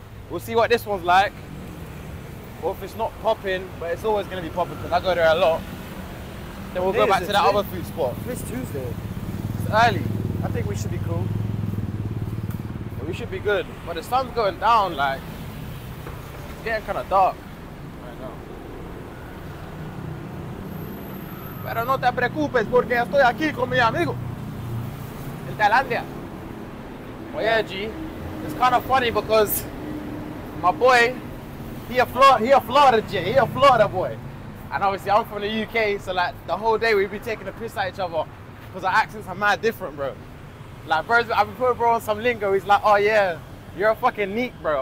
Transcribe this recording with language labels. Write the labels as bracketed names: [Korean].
[English] We'll see what this one's like. Or if it's not popping, but it's always going to be popping because I go there a lot. Then we'll go back to that other food spot. It's Tuesday. It's early. I think we should be cool. We should be good, but the sun's going down, like, it's getting kind of dark right now. [Spanish] Pero no te preocupes porque estoy aquí con mi amigo, el Thailandia. [English] Oh yeah, G, it's kind of funny because my boy, he a Florida boy. And obviously I'm from the UK, so like the whole day we'd be taking a piss at each other because our accents are mad different, bro. Like, bro, I've been putting bro on some lingo. He's like, oh, yeah, you're a fucking neek, bro.